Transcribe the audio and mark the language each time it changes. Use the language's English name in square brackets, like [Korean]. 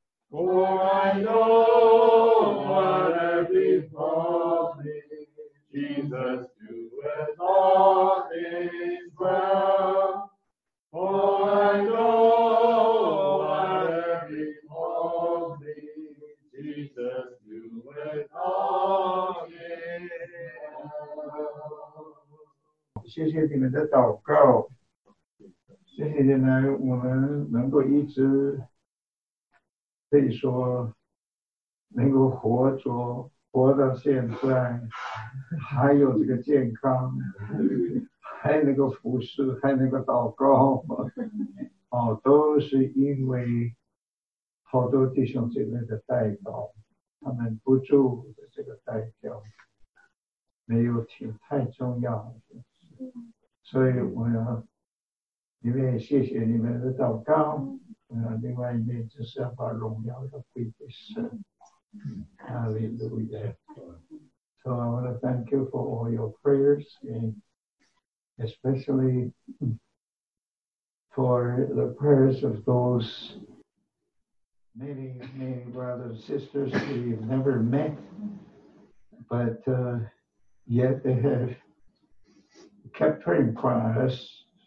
[English] For I know what every thought is, Jesus doeth all things well. For I know what every thought is, Jesus doeth all things well. [Chinese] 谢谢你们的祷告。这些年来我们能够一直可以说能够活到现在，还有这个健康，还能够服侍，还能够祷告，哦，都是因为好多弟兄姐妹的代祷，他们不住的这个代表没有停，太重要了，所以我要一面谢谢你们的祷告，另外一面就是要把荣耀的归给神。哈利路亚。 [English] So I want to thank you for all your prayers, and especially for the prayers of those many brothers and sisters that you've never met, but yet they have kept praying for us.